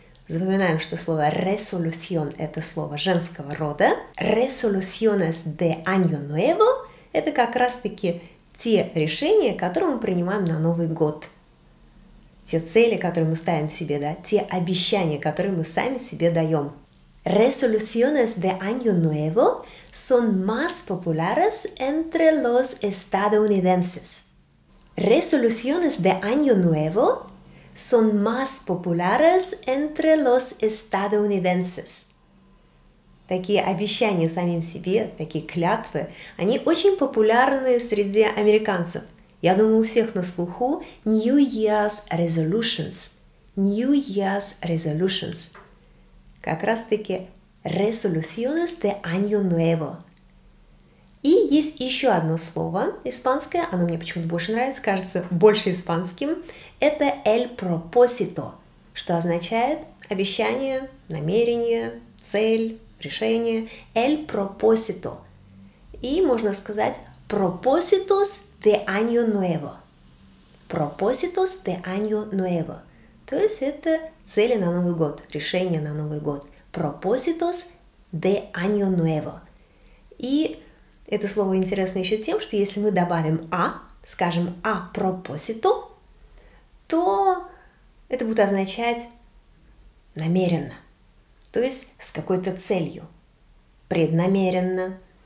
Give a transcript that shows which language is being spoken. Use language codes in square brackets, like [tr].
[ru] Запоминаем, что слово resolución – это слово женского рода. [es] Resoluciones de año nuevo [ru] – это как раз-таки те решения, которые мы принимаем на Новый год. Те цели, которые мы ставим себе, да? Те обещания, которые мы сами себе даем. [es] Resoluciones de año nuevo son más populares entre los estadounidenses. Resoluciones de año nuevo son más populares entre los estadounidenses. [ru] Такие обещания самим себе, такие клятвы, они очень популярны среди американцев. Я думаю, у всех на слуху [en] New Year's Resolutions. New Year's Resolutions. [ru] Как раз-таки [es] resoluciones de año nuevo. [ru] И есть еще одно слово испанское, оно мне почему-то больше нравится, кажется, больше испанским. Это el propósito, что означает обещание, намерение, цель, решение. [es] El propósito. [ru] И можно сказать [es] propósitos de año nuevo. Propósitos de año nuevo. [ru] То есть это цели на Новый год, решение на Новый год. [es] Propósitos de año nuevo. [ru] И это слово интересно еще тем, что если мы добавим «a», скажем [es] «a propósito», [ru] то это будет означать «намеренно», то есть с какой-то целью, преднамеренно.